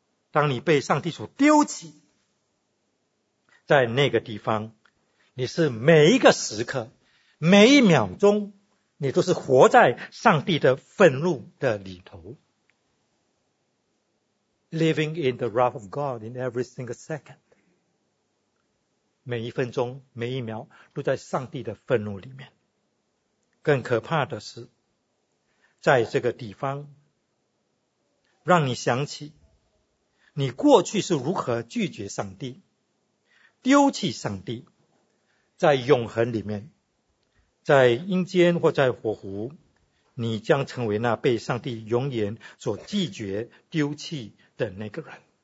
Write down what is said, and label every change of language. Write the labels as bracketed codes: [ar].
[zh] 当你被上帝所丢弃，在那个地方，你是每一个时刻每一秒钟你都是活在上帝的愤怒的里头。 [en] Living in the wrath of God in every single second，每一分钟每一秒都在上帝的愤怒里面。 [zh] 更可怕的是，在这个地方让你想起你过去是如何拒绝上帝、丢弃上帝。在永恒里面，在阴间或在火湖，你将成为那被上帝永远所拒绝丢弃的那个人。